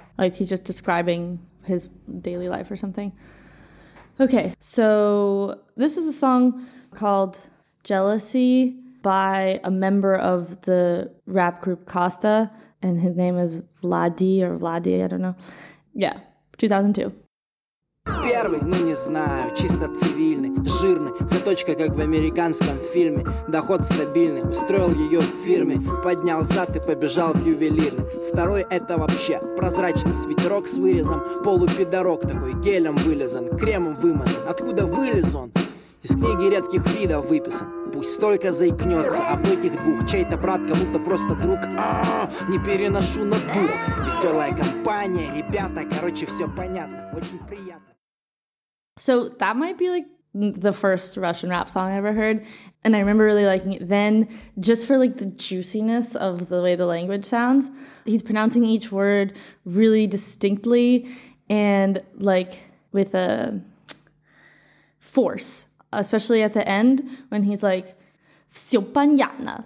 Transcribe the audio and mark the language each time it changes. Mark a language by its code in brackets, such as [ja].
[en] Like, he's just describing his daily life or something. Okay, so this is a song called Jealousy by a member of the rap group Costa, and his name is Vladi, I don't know. Yeah, 2002. [ru] Первый, ну не знаю, чисто цивильный, жирный, заточка, как в американском фильме. Доход стабильный, устроил ее в фирме, поднял зад и побежал в ювелирный. Второй это вообще прозрачный свитерок с вырезом, полупидорок такой, гелем вылезан, кремом вымазан. Откуда вылез он? Из книги редких видов выписан. пусть столько заикнется. Об этих двух чей-то брат, кому-то просто друг. Не переношу на дух. Веселая компания, ребята, короче, все понятно. Очень приятно. [en] So that might be like the first Russian rap song I ever heard. And I remember really liking it then, just for like the juiciness of the way the language sounds. He's pronouncing each word really distinctly and like with a force, especially at the end when he's like, [ru] "Всё понятно."